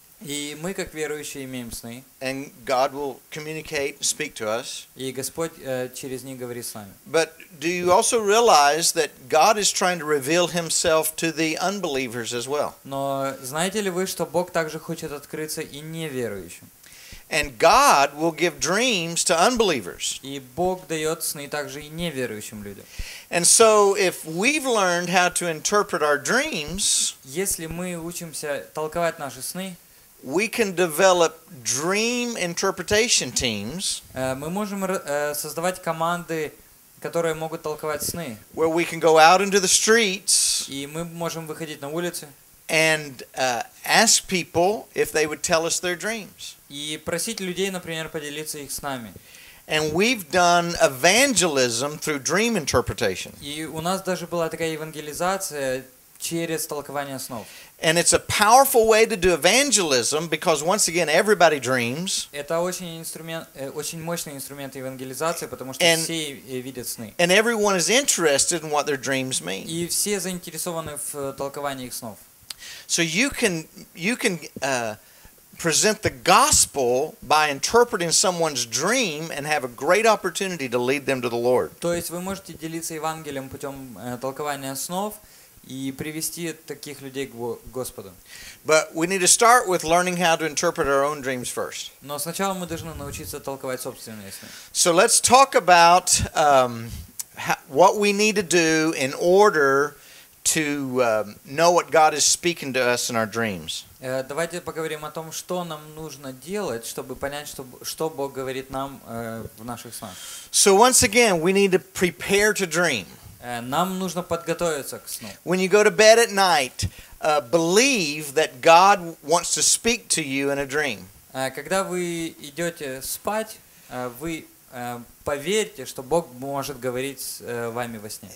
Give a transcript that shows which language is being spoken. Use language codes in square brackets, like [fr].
[ru] И мы, как верующие, имеем сны. [en] And God will communicate, speak to us. [ru] И Господь через них говорит с нами. [en] But do you also realize that God is trying to reveal himself to the unbelievers as well? [ru] Но знаете ли вы, что Бог также хочет открыться и неверующим? [en] And God will give dreams to unbelievers. [ru] И Бог даёт сны также и неверующим людям. [en] And so if we've learned how to interpret our dreams, [ru] если мы учимся толковать наши сны, [en] we can develop dream interpretation teams. [ru] Мы можем создавать команды, которые могут толковать сны. [en] Where we can go out into the streets. [ru] И мы можем выходить на улицы. [en] And ask people if they would tell us their dreams. [ru] И просить людей, например, поделиться их с нами. [en] And we've done evangelism through dream interpretation. [ru] И у нас даже была такая евангелизация через толкование снов. [en] And it's a powerful way to do evangelism because once again everybody dreams. [ru] Это очень мощный инструмент евангелизации, потому что все видят сны. [en] And everyone is interested in what their dreams mean. [ru] И все заинтересованы в толковании их снов. [en] So you can present the gospel by interpreting someone's dream and have a great opportunity to lead them to the Lord. [ru] То есть вы можете делиться Евангелием путём толкования снов и привести таких людей к Господу. [en] But we need to start with learning how to interpret our own dreams first. [ru] Но сначала мы должны научиться толковать собственные сны. [en] So let's talk about what we need to do in order to know what God is speaking to us in our dreams. [ru] Давайте поговорим о том, что нам нужно делать, чтобы понять, что Бог говорит нам в наших снах. [en] So once again, we need to prepare to dream. [ru] Нам нужно подготовиться к сну. [en] When you go to bed at night, believe that God wants to speak to you in a dream. [ru] Когда вы идёте спать, вы поверьте, что Бог может говорить с вами во сне.